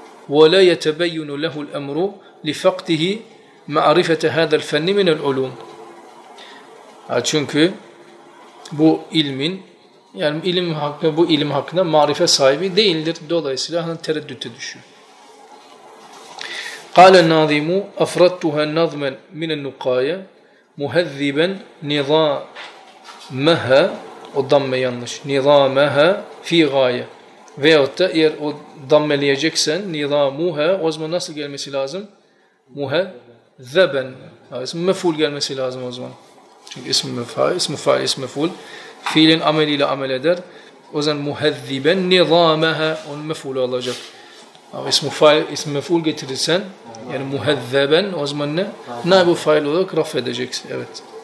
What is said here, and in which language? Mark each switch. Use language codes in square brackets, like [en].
[ar] وَلَا يَتَبَيُّنُ لَهُ الْأَمْرُ لِفَقْدِهِ مَعْرِفَةَ هَذَا الْفَنِّ مِنَ الْعُلُومِ. [tr] Çünkü bu ilmin yani ilim hakkı bu ilim hakkında marife sahibi değildir. Dolayısıyla hani tereddüte düşüyor. [ar] قال الناظم أفردتها نظما من النقايا مهذبا نظامها [tr] o damme yanlış nizamaha fi gaye veyahut da eğer o dammeleyeceksen nizamuha o zaman nasıl gelmesi lazım muhezzeben yani ismi meful gelmesi lazım o zaman çünkü ismi mefa'i ismi fa'i ismi meful fiilin ameliyle amel eder o zaman muhezziben nizamaha o meful olacak ama ismi fa'i ismi meful getirirsen yani muhezzeben o zaman ne naib-i fa'il olarak raf edeceksin evet